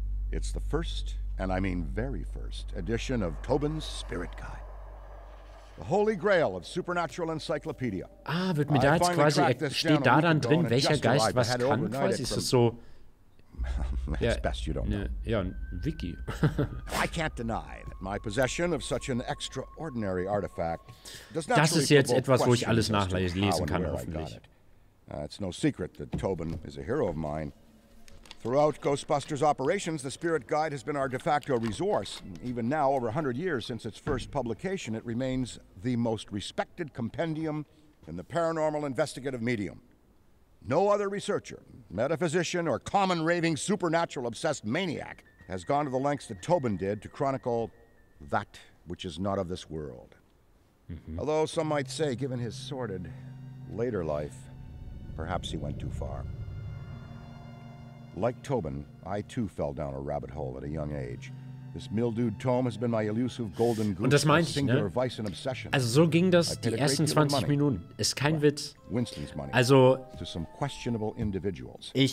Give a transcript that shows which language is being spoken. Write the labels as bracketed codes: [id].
[en] It's the first, and I mean very first, edition of Tobin's Spirit Guide. The Holy Grail of Supernatural Encyclopedia. [de] Ah, wird mir da jetzt quasi, steht da dann drin, welcher Geist was kann quasi? Ist das so... [en] It's best you don't know. [de] Ja, Wiki. [en] I can't deny that my possession of such an extraordinary artifact does not. [de] Das ist jetzt etwas, wo ich alles nachlesen kann, hoffentlich. [en] It's no secret that Tobin is a hero of mine. Throughout Ghostbusters operations, the Spirit Guide has been our de facto resource. Even now, over 100 years since its first publication, it remains the most respected compendium in the paranormal investigative medium. No other researcher, metaphysician, or common raving supernatural obsessed maniac has gone to the lengths that Tobin did to chronicle that which is not of this world. Mm-hmm. Although some might say, given his sordid later life, perhaps he went too far. Like Tobin, I too fell down a rabbit hole at a young age, This mildewed tome has been my elusive golden goose. [de] Und das meinte ich, ne? [en] Vice and obsession. [de] Also so ging das die ersten 20 Minuten. Ist kein Witz. [en] Winston's money. Also to some questionable individuals.